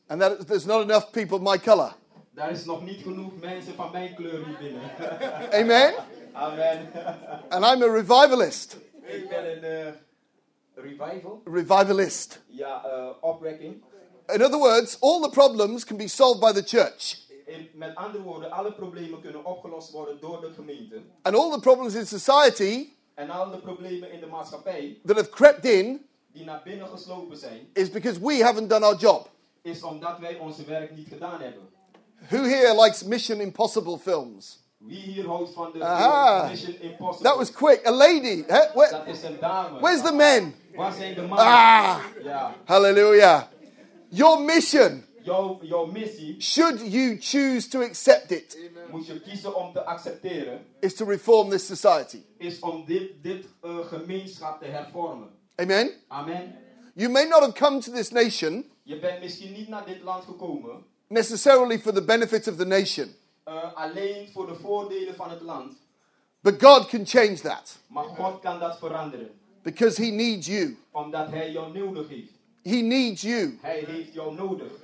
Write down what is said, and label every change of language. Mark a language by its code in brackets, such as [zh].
[en] And that is, there's not enough people my color. [nl] Daar is nog niet genoeg mensen van mijn kleur hier binnen. [en] Amen. Amen. And I'm a revivalist. [nl] Ik ben een revival. [en] Revivalist. [nl] Ja, opwekking. [en] In other words, all the problems can be solved by the church. [nl] Met andere woorden, alle problemen kunnen opgelost worden door de gemeente. [en] And all the problems in society. [nl] En al de problemen in de maatschappij. [en] That have crept in. [nl] Die naar binnen geslopen zijn. [en] Is because we haven't done our job. [nl] Is omdat wij onze werk niet gedaan hebben. [en] Who here likes Mission Impossible films? [nl] Wie hier houdt van de Mission Impossible? [en] That was quick. A lady. [nl] Dat is een dame. [en] Where's the men? [nl] Waar zijn de mannen? [en] Ah. Hallelujah. Your mission. [nl] Your missie. [en] Should you choose to accept it. [nl] Amen. Moet je kiezen om te accepteren. [en] Is to reform this society. [nl] Is om dit gemeenschap te hervormen. [en] Amen. Amen. You may not have come to this nation. [nl] Je bent misschien niet naar dit land gekomen. [en] Necessarily for the benefit of the nation. [nl] Alleen voor de voordelen van het land. [en] But God can change that. [nl] Maar God kan dat veranderen. [en] Because he needs you. [nl] Omdat hij jou nodig heeft. [en] He needs you. [nl] Hij heeft jou nodig.